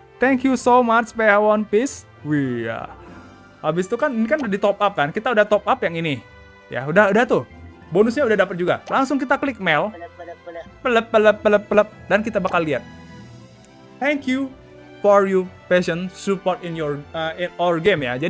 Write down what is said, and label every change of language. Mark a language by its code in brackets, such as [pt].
[en] Thank you so much PH One Piece. Wih ya. [id] Habis itu kan ini kan udah di top up kan. Kita udah top up yang ini. Ya, udah tuh. Bonusnya udah dapat juga. Langsung kita klik mail. Pelep pelep pelep pelep dan kita bakal lihat. [en] Thank you for your patient support in your in our game ya.